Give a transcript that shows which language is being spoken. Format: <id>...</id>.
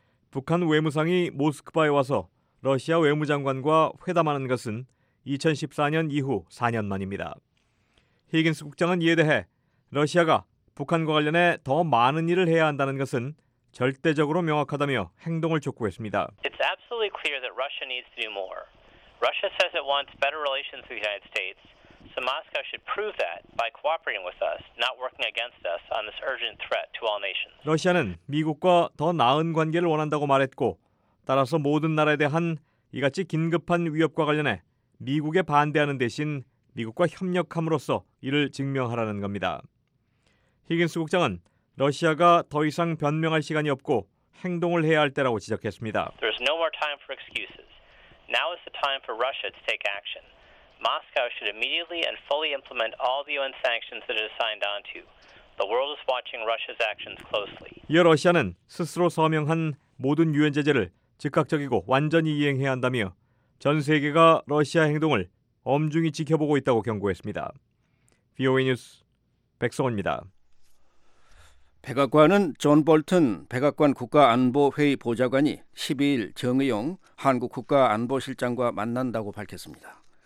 <ko>북한 외무상이 모스크바에 와서 러시아 외무장관과 회담하는 것은 2014년 이후 4년 만입니다. 히긴스 국장은 이에 대해 러시아가 북한과 관련해 더 많은 일을 해야 한다는 것은 절대적으로 명확하다며 행동을 촉구했습니다.</ko> <en>It's absolutely clear that Russia needs to do more. Russia says it wants better relations with the United States. So Moscow should prove that by cooperating with us, not working against us on this urgent threat to all nations.</en> <ko>러시아는 미국과 더 나은 관계를 원한다고 말했고, 따라서 모든 나라에 대한 이같이 긴급한 위협과 관련해 미국에 반대하는 대신 미국과 협력함으로써 이를 증명하라는 겁니다. 히긴스 국장은 러시아가 더 이상 변명할 시간이 없고 행동을 해야 할 때라고 지적했습니다.</ko> <en>There's no more time for excuses. Now is the time for Russia to take action. Moscow should immediately and fully implement all the UN sanctions that it has signed on to. The world is watching Russia's actions closely.</en> <ko>이어 러시아는 스스로 서명한 모든 유엔 제재를 즉각적이고 완전히 이행해야 한다며 전 세계가 러시아 행동을 엄중히 지켜보고 있다고 경고했습니다. VOA 뉴스 백성원입니다. 백악관은 존 볼튼 백악관 국가안보회의 보좌관이 12일 정의용 한국 국가안보실장과 만난다고 밝혔습니다.</ko>